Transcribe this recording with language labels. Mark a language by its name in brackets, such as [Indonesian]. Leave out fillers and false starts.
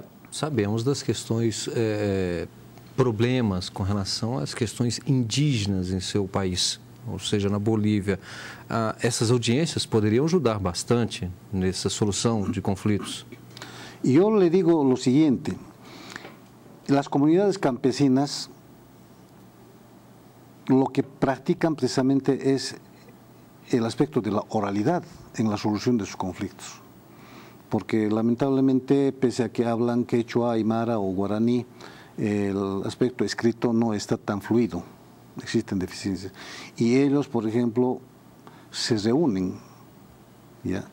[Spanish] Sabemos las cuestiones, problemas con relación a las cuestiones indígenas en su país, [Portuguese] ou seja, na Bolívia. Essas audiências poderiam ajudar bastante nessa solução de conflitos? Eu lhe digo o seguinte, as comunidades campesinas, o que praticam precisamente é [Spanish] el aspecto de la oralidad en la solución de sus conflictos. Porque lamentablemente, pese a que hablan quechua, aymara o guaraní, el aspecto escrito no está tan fluido. Existen deficiencias. Y ellos, por ejemplo, se reúnen. ¿Ya?